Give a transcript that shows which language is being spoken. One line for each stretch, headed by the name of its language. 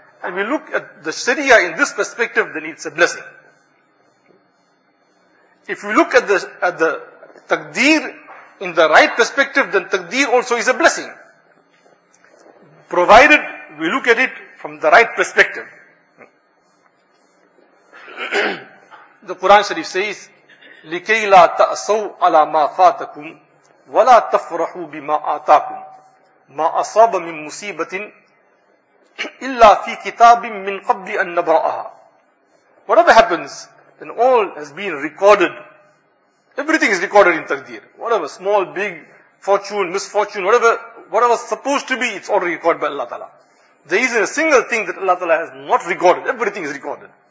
English: And we look at the Sharia in this perspective, then it's a blessing. If you look at the taqdeer, in the right perspective, then taqdeer also is a blessing. Provided we look at it from the right perspective. The Quran Sharif says,
Arabic: لِكَيْ لَا تَأْسَوْا عَلَىٰ مَا فَاتَكُمْ وَلَا تَفْرَحُوا بِمَا آتَاكُمْ مَا أَصَابَ مِن مُصِيبَةٍ إِلَّا فِي كِتَابٍ مِّن قَبْلِ أَن نَبْرَأَهَا.
English: Whatever happens, then all has been recorded. Everything is recorded in taqdeer. Whatever, small, big, fortune, misfortune, whatever supposed to be, it's already recorded by Allah Ta'ala. There isn't a single thing that Allah Ta'ala has not recorded. Everything is recorded.